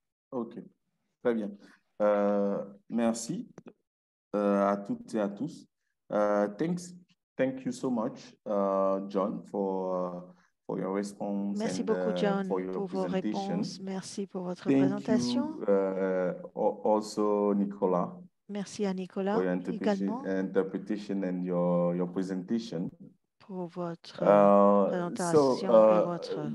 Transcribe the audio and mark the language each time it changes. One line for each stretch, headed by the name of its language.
French: OK, très bien. Merci à toutes et à tous.
English: Thanks. Thank you so much, John, for your response.
French: Merci beaucoup, John, pour vos réponses. Merci pour votre présentation.
English: Also, Nicolas.
French: Merci à Nicolas
English: for your interpretation and your presentation.
French: Pour votre présentation et votre